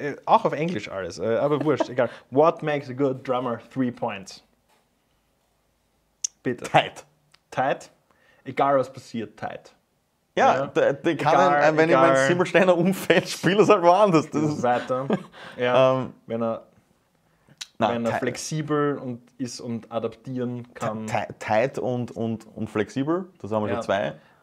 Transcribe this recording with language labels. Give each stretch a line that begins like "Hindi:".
German: Auch auf Englisch alles, aber wurscht, egal.
English: What makes a good drummer? 3 points.
German: Bitte.
English: Tight. Tight?
German: Egal was passiert, tight. Ja, ja? Der kann egal, einen, wenn ich meinen Simmelsteiner umfällt, spiele es halt woanders. Das ist weiter. Ja, wenn er flexibel und ist und adaptieren kann. Tight und flexibel, das haben wir schon zwei.